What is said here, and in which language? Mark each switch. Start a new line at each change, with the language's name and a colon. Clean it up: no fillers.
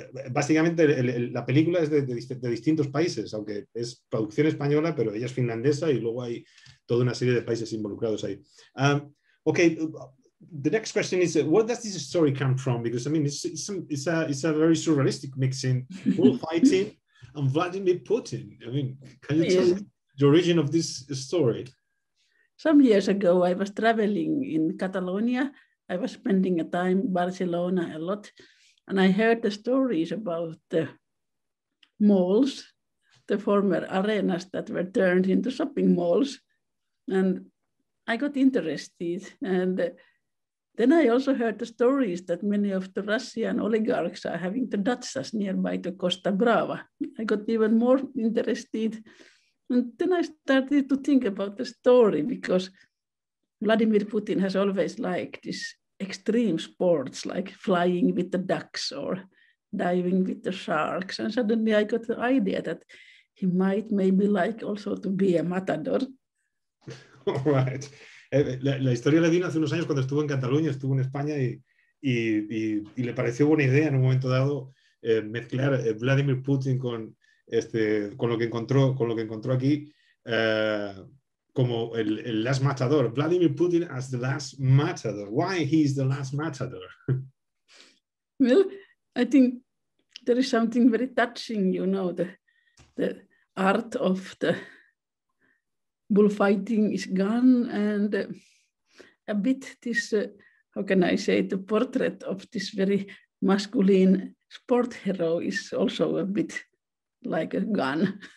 Spanish: Básicamente, la película es de distintos países, aunque es producción española, pero ella es finlandesa y luego hay toda una serie de países involucrados ahí.
English: Okay, the next question is, where does this story come from? Because, I mean, it's a very surrealistic mixing, bullfighting and Vladimir Putin. I mean, can you tell me the origin of this story? Some years ago, I was traveling in Catalonia. I was spending a time in Barcelona a lot. And I heard the stories about the malls, the former arenas that were turned into shopping malls. And I got interested. And then I also heard the stories that many of the Russian oligarchs are having the dachas nearby to Costa Brava. I got even more interested. And then I started to think about the story, because Vladimir Putin has always liked this extreme sports, like flying with the ducks or diving with the sharks. And suddenly I got the idea that he might maybe like also to be a matador. All right.
Spanish: La historia le vino hace unos años cuando estuvo en Cataluña, estuvo en España y le pareció buena idea en un momento dado mezclar Vladimir Putin con con lo que encontró aquí como el last matador.
English: Vladimir Putin as the last matador. Why he is the last matador? Well, I think there is something very touching, you know, the art of the bullfighting is gone, and a bit this, how can I say, the portrait of this very masculine sport hero is also a bit like a gun.